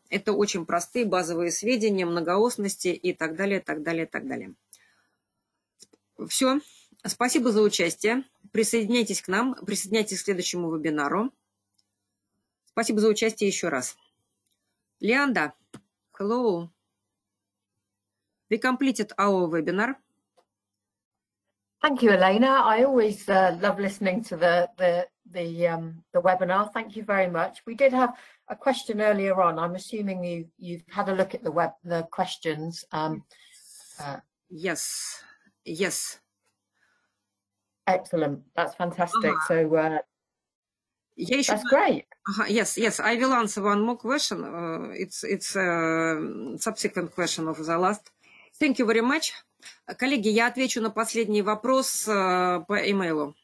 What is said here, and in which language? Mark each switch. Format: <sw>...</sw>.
<ru>Это очень простые базовые сведения, многоосности и так далее, так далее, так далее. Все. Спасибо за участие. Присоединяйтесь к нам, присоединяйтесь к следующему вебинару. Спасибо за участие еще раз. Лианда,</ru> <en>hello. We completed our webinar. Thank you, Elena. I always love listening to the webinar. Thank you very much. We did have a question earlier on. I'm assuming you've had a look at the questions. Yes. Excellent. That's fantastic. Uh-huh. So that's great. Yes. I will answer one more question. It's a subsequent question of the last. Thank you very much.</en> <ru>Коллеги, я отвечу на последний вопрос по имейлу.</ru>